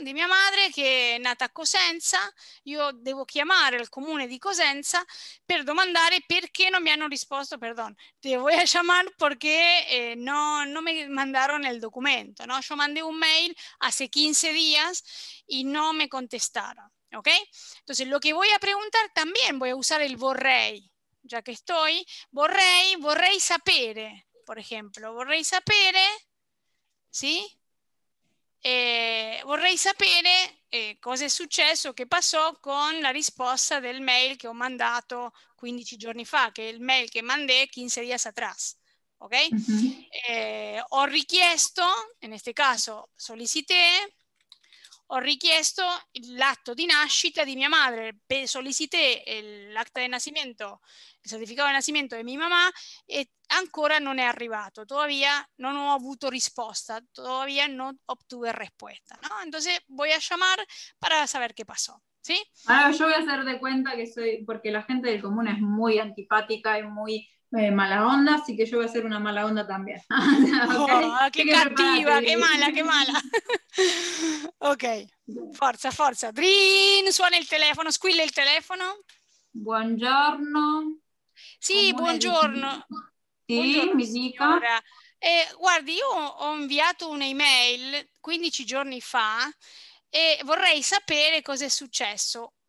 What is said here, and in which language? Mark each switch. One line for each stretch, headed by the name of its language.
Italian: Di mia madre che è nata a Cosenza, io devo chiamare il comune di Cosenza per domandare perché non mi hanno risposto,
Spanish: perdon, te voy a llamar
Italian: perché non mi mandaron il documento, no?
Spanish: Io mandé un mail hace 15 días e non mi contestaron, ok? Entonces, lo che voy a preguntar también voy a usar el vorrei, ya que estoy,
Italian: vorrei sapere. Por ejemplo, vorrei sapere, ¿sí? Vorrei sapere cosa è successo, che passò con la risposta del mail che ho mandato 15 giorni fa, che è il mail che
Spanish: mandé 15 días atrás.
Italian: Ok? Uh-huh. Ho richiesto, in questo caso solicité, ho richiesto l'atto di nascita di mia madre, solicité l'acta di nascimento, il certificato di nascimento di mia mamma, e ancora non è arrivato, todavía non ho avuto risposta,
Spanish: todavía non obtuve risposta,
Italian: no?
Spanish: Entonces voy a llamar para saber qué pasó, ¿sí? Ahora yo voy a hacer de cuenta que soy, porque la gente del común es muy antipática y muy mala onda, así que yo voy a hacer una mala onda también. Okay. Oh, qué cativa, qué mala, qué mala.
Italian: Ok, forza, forza. Drin, suona il telefono, squilla il telefono. Buongiorno. Sì, buongiorno. Sì, buongiorno, mi dica. Guardi, io ho inviato un'email 15 giorni fa e vorrei sapere cosa è successo.